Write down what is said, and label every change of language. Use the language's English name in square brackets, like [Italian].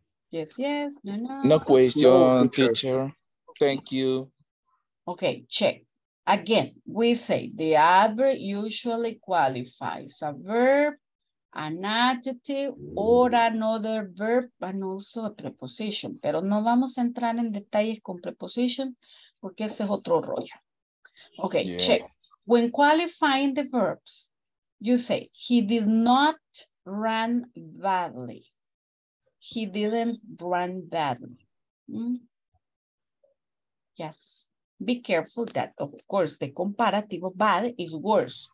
[English] Yes, yes. No, no. No question, teacher. Thank you. Okay, check. Again, we say the adverb usually qualifies a verb, an adjective, or another verb, and also a preposition. [Spanish] Pero no vamos a entrar en detalles con preposition porque ese es otro rollo. [English] Okay, yeah. Check. When qualifying the verbs, you say, he did not run badly. He didn't run badly. Mm? Yes. Be careful that, of course, the comparative bad is worse.